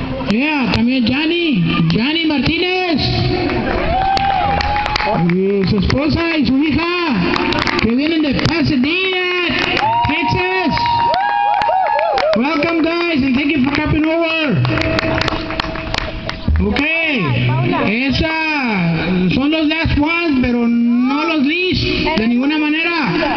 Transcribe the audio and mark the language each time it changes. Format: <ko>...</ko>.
<es>Yeah, también Johnny Martínez. Y su esposa y su hija, que vienen de Pasadena, Texas.</es> <en>Welcome guys, and thank you for coming over.</en> <es>Ok, esa son los</es> <en>last ones,</en> <es>pero no los least, de ninguna manera.</es>